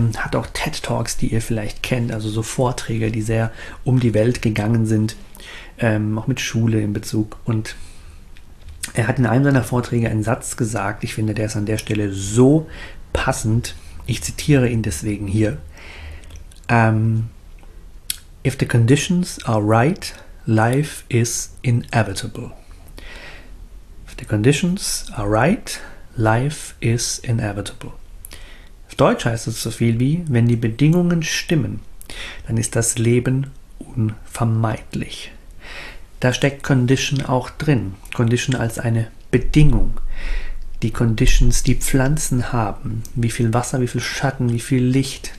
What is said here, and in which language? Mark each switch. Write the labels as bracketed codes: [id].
[de] Hat auch TED-Talks, die ihr vielleicht kennt, also so Vorträge, die sehr um die Welt gegangen sind, auch mit Schule in Bezug. Und er hat in einem seiner Vorträge einen Satz gesagt, ich finde, der ist an der Stelle so passend. Ich zitiere ihn deswegen hier. [en] If the conditions are right, life is inevitable. If the conditions are right, life is inevitable. [de] Auf Deutsch heißt es so viel wie, wenn die Bedingungen stimmen, dann ist das Leben unvermeidlich. Da steckt Condition auch drin. Condition als eine Bedingung. Die Conditions, die Pflanzen haben. Wie viel Wasser, wie viel Schatten, wie viel Licht.